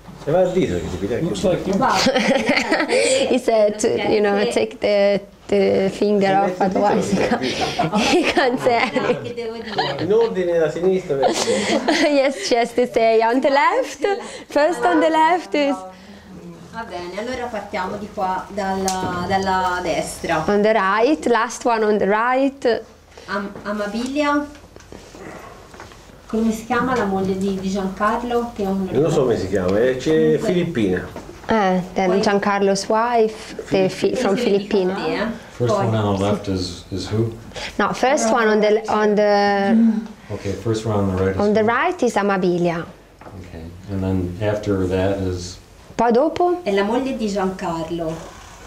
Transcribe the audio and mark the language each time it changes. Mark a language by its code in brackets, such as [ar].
[en] He said, to, you know, take the finger off, otherwise he can't say anything. Yes, she has to say on the left. First on the left is... [it] Va bene, allora partiamo di qua, dalla destra. [en] On the right, last one on the right. [it] Amabilia. Come si chiama la moglie di Giancarlo? Che è non lo so come si chiama, c'è Filippina. [en] Then poi Giancarlo's wife, from Filippina. First poi. One on the left is who? No, first one on the... Okay, first one on the right is... On the right is Amabilia. Okay, and then after that is... [it] Poi dopo? È la moglie di Giancarlo.